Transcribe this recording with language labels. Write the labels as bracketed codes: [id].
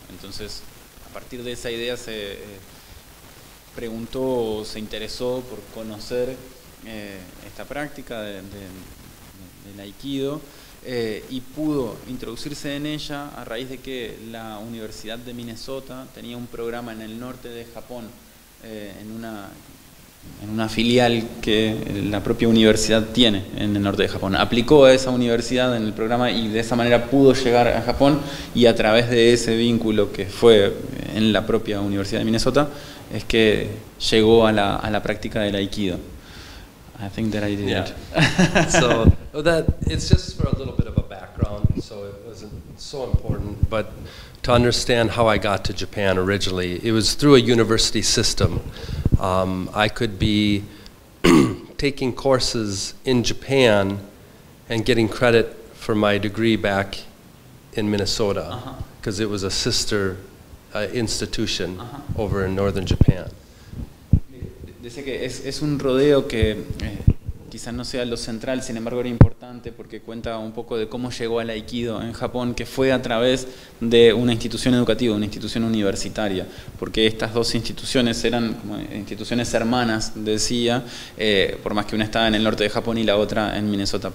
[es] Entonces, a partir de esa idea se preguntó o se interesó por conocer esta práctica del Aikido y pudo introducirse en ella a raíz de que la Universidad de Minnesota tenía un programa en el norte de Japón en una filial que la propia universidad tiene en el norte de Japón. Aplicó a esa universidad en el programa y de esa manera pudo llegar a Japón y a través de ese vínculo que fue en la propia Universidad de Minnesota es que llegó a la práctica del Aikido. [en] I think that I did. Yeah. So that it's just for a little bit of a background, so it wasn't so important, but to understand how I got to Japan originally, it was through a university system. I could be taking courses in Japan and getting credit for my degree back in Minnesota, because it was a sister institution over in northern Japan. [es] Dice que es un rodeo que quizás no sea lo central, sin embargo era importante porque cuenta un poco de cómo llegó al Aikido en Japón, que fue a través de una institución educativa, una institución universitaria, porque estas dos instituciones eran como instituciones hermanas, decía, por más que una estaba en el norte de Japón y la otra en Minnesota.